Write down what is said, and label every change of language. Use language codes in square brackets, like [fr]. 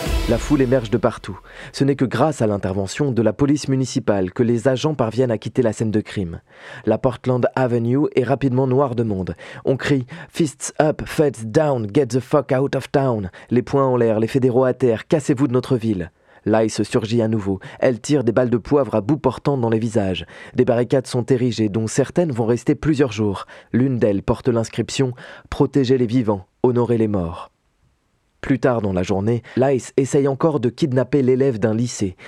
[fr] La foule émerge de partout. Ce n'est que grâce à l'intervention de la police municipale que les agents parviennent à quitter la scène de crime. La Portland Avenue est rapidement noire de monde. On crie [en] « Fists up, feds down, get the fuck out of town !» [fr] Les poings en l'air, les fédéraux à terre, cassez-vous de notre ville ! L'ICE surgit à nouveau. Elle tire des balles de poivre à bout portant dans les visages. Des barricades sont érigées, dont certaines vont rester plusieurs jours. L'une d'elles porte l'inscription « Protégez les vivants, honorez les morts ». Plus tard dans la journée, l'ICE essaye encore de kidnapper l'élève d'un lycée.